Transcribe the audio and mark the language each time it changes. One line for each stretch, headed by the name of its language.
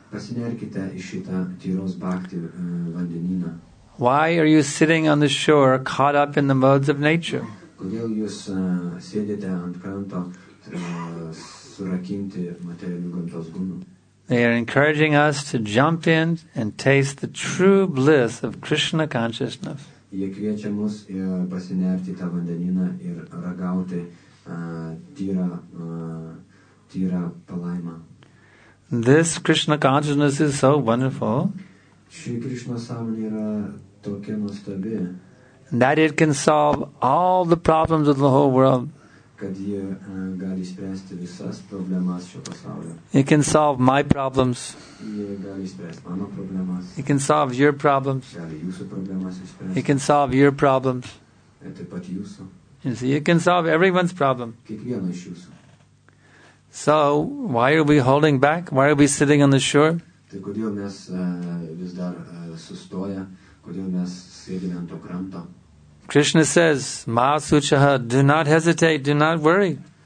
Lithuanian: Pasinerkite į šitą tyros bhakti vandenyną.
English: Why are you sitting on the shore caught up in the modes of nature?
Lithuanian: Kodėl jūs sėdite ant kranto surakinti materialių gamtos gunų?
English: They are encouraging us to jump in and taste the true bliss of Krishna consciousness.
Lithuanian: Jie kviečia mus pasinerti tą vandenyną ir ragauti tyrą palaimą.
English: This Krishna consciousness is so wonderful.
Lithuanian: Ši Krishna sąmonė yra tokia nuostabi.
English: That it can solve all the problems of the whole world.
Lithuanian: Kad jie gali spręsti visas problemas šio pasaulio.
English: It can solve my problems.
Lithuanian: Jie gali spręsti mano problemas.
English: It can solve your problems.
Lithuanian: Gali jūsų problemas išspręsti.
English: It can solve your problems.
Lithuanian: Taip pat jūsų.
English: You see, it can solve everyone's problem.
Lithuanian: Kiekvieno iš jūsų.
English: So, why are we holding back? Why are we sitting on the shore?
Lithuanian: Tai kodėl mes vis dar sustoja? Kodėl mes sėdime ant to kranto?
English: Krishna says, Mahasuchaha, do not hesitate, do not worry.